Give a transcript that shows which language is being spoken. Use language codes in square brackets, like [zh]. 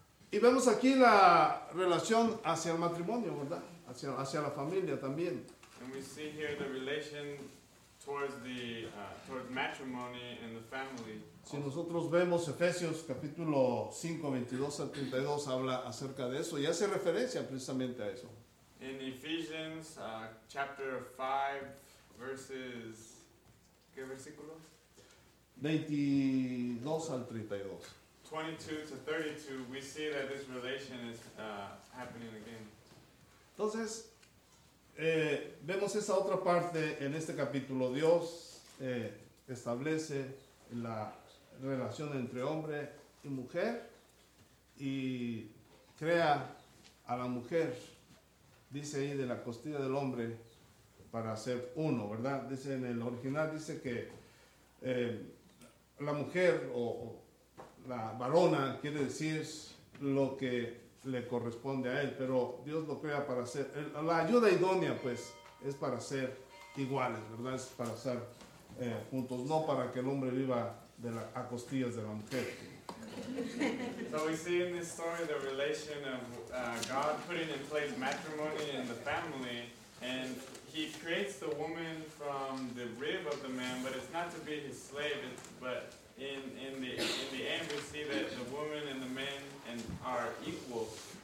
[es] Y vemos aquí la relación hacia el matrimonio, ¿verdad? Hacia la familia también. [en] And we see here the relation towards the towards matrimony and the family. [es] Si nosotros vemos Efesios capítulo 5, 22 al 32 habla acerca de eso y hace referencia precisamente a eso. [en] In Ephesians chapter 5 verses, [es] ¿qué versículo? 22 al 32. [en] 22 to 32, we see that this relation is happening again. [es] Entonces, vemos esa otra parte en este capítulo. Dios establece la relación entre hombre y mujer y crea a la mujer, dice ahí, de la costilla del hombre para ser uno, ¿verdad? Dice en el original, dice que la mujer o la varona quiere decir lo que le corresponde a él, pero Dios lo crea para ser, la ayuda idónea pues es para ser iguales, ¿verdad? Es para ser juntos, no para que el hombre viva a costillas de la mujer. [en] And So we see in this story the relation of God putting in place matrimony in the family, and he creates the woman from the rib of the man, but it's not to be his slave, but in the end we see that the woman and the man are equals.